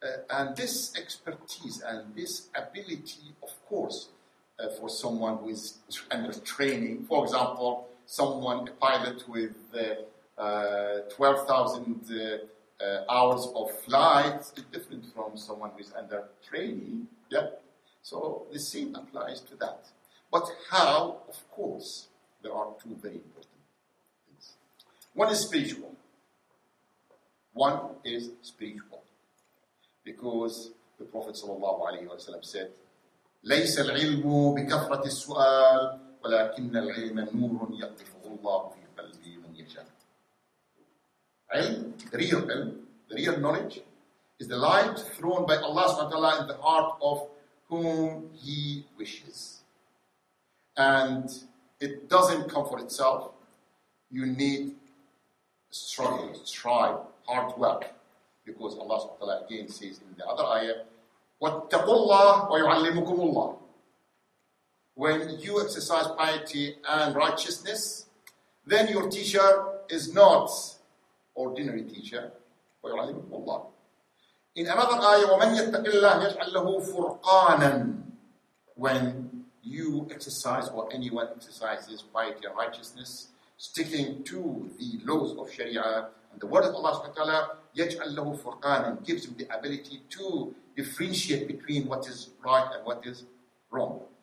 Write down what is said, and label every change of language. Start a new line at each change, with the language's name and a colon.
English: And this expertise and this ability, of course, for someone who is under training, for example, someone, a pilot with 12,000 hours of flight, is different from someone who is under training. Yeah? So the same applies to that. But how, of course, there are two very important things. One is spiritual. One is spiritual. Because the Prophet sallallahu alaihi wasallam said,
Arabic: لَيْسَ الْعِلْمُ بِكَفْرَةِ السُّؤَالِ وَلَكِنَّ الْعِلْمَ نُورٌ يَقْطِفُهُ اللَّهُ فِي قَلْبِهِ مَنْ يَشَاءُ.
English: Ilm, the real knowledge, is the light thrown by Allah subhanahu wa ta'ala in the heart of whom He wishes. And it doesn't come for itself. You need struggle, strive, hard work. Because Allah subhanahu wa ta'ala again says in the other ayah,
Arabic: وَاتَّقُوا اللَّهُ وَيُعَلِّمُكُمُ اللَّهُ.
English: When you exercise piety and righteousness, then your teacher is not ordinary teacher.
Arabic: وَيُعَلِّمُهُ اللَّهُ.
English: In another ayah,
Arabic: وَمَنْ يَتَّقِ اللَّهِ يَجْعَلْ لَهُ فُرْقَانًا.
English: When you exercise or anyone exercises piety and righteousness, sticking to the laws of Sharia and the word of Allah subhanahu wa ta'ala,
Arabic: يَجْعَلْ لَهُ فُرْقَانًا,
English: gives him the ability to differentiate between what is right and what is wrong.